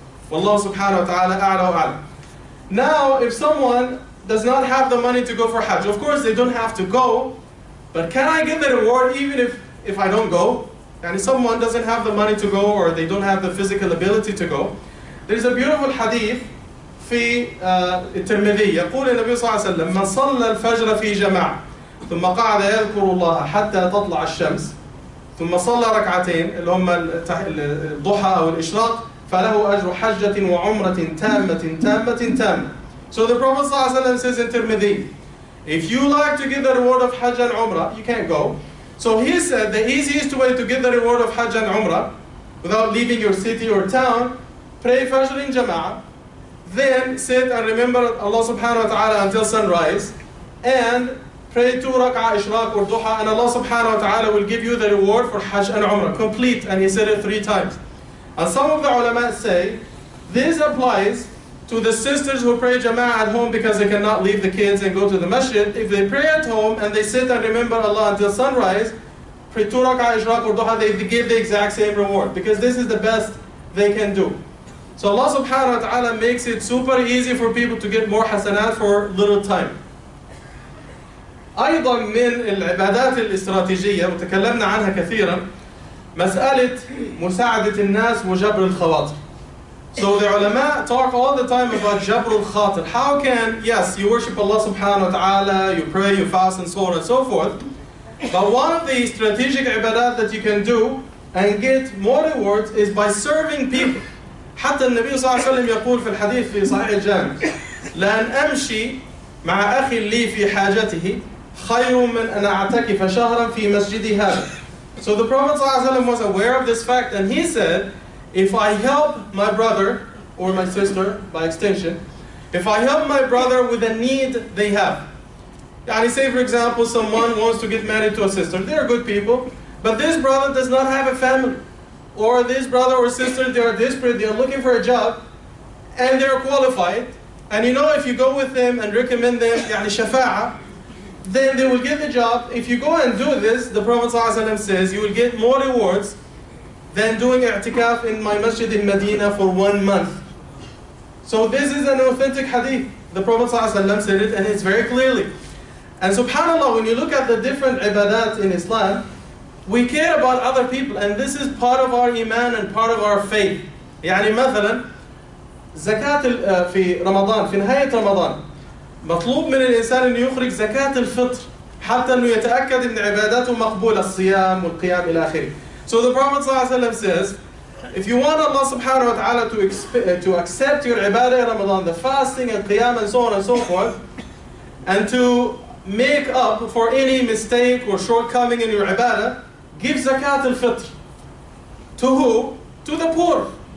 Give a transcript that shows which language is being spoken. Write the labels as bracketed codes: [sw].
[ar] Wallahu subhanahu wa ta'ala a'la wa a'la. [en] Now, if someone does not have the money to go for Hajj, of course they don't have to go, but can I get the reward even if I don't go? And if someone doesn't have the money to go, or they don't have the physical ability to go, there's a beautiful hadith [ar] في الترمذي يقول النبي صلى الله عليه وسلم من صلى الفجر في جماعة ثم قعد يذكر الله حتى تطلع الشمس ثم صلى ركعتين اللي هما الضحى أو الإشراق فله أجر حجة وعمرة تامة تامة تامة. [en] So the Prophet صلى الله عليه وسلم says in Tirmidhi, if you like to get the reward of Hajj and Umrah, you can't go. So he said the easiest way to get the reward of Hajj and Umrah without leaving your city or town, pray Fajr in Jama'ah, then sit and remember Allah subhanahu wa ta'ala until sunrise, and pray two rak'ah ishraq or duha, and Allah subhanahu wa ta'ala will give you the reward for Hajj and Umrah, complete, and he said it three times. And some of the ulama say, this applies to the sisters who pray jama'ah at home because they cannot leave the kids and go to the masjid. If they pray at home and they sit and remember Allah until sunrise, pray two rak'ah ishraq or duha, they give the exact same reward, because this is the best they can do. So Allah subhanahu wa ta'ala makes it super easy for people to get more hasanat for little time. [ar] أيضا من العبادات الاستراتيجية وتكلمنا عنها كثيرا مسألة مساعدة الناس وجبر الخواطر. [en] So the ulama talk all the time about جبر الخاطر. How can, yes, you worship Allah subhanahu wa ta'ala, you pray, you fast and so on and so forth, but one of the strategic ibadat that you can do and get more rewards is by serving people. [ar] حتى النبي صلى الله عليه وسلم يقول في الحديث في صحيح الجامع لأن أمشي مع أخي لي في حاجته خير من أن أعتكف شهرا في مسجدي هذا. [en] So the Prophet صلى الله عليه وسلم was aware of this fact and he said, if I help my brother or my sister by extension, if I help my brother with a need they have, يعني say for example someone wants to get married to a sister, they are good people, but this brother does not have a family, or this brother or sister, they are desperate, they are looking for a job, and they are qualified, and you know if you go with them and recommend them, [ar] يعني شفاعة, [en] then they will get the job. If you go and do this, the Prophet ﷺ says, you will get more rewards than doing i'tikaf in my masjid in Medina for 1 month. So this is an authentic hadith. The Prophet ﷺ said it, and it's very clearly. And subhanAllah, when you look at the different ibadat in Islam, we care about other people, and this is part of our iman and part of our faith. [ar] يعني مثلا زكاة في رمضان في نهاية رمضان مطلوب من الإنسان أن يخرج زكاة الفطر حتى أنه يتأكد أن عباداته مقبولة الصيام والقيام إلى آخره. [en] So the Prophet صلى الله عليه وسلم says, if you want Allah subhanahu wa ta'ala to accept your ibadah in Ramadan, the fasting and qiyam and so on and so forth, and to make up for any mistake or shortcoming in your ibadah, give zakat al-fitr. To who? To the poor.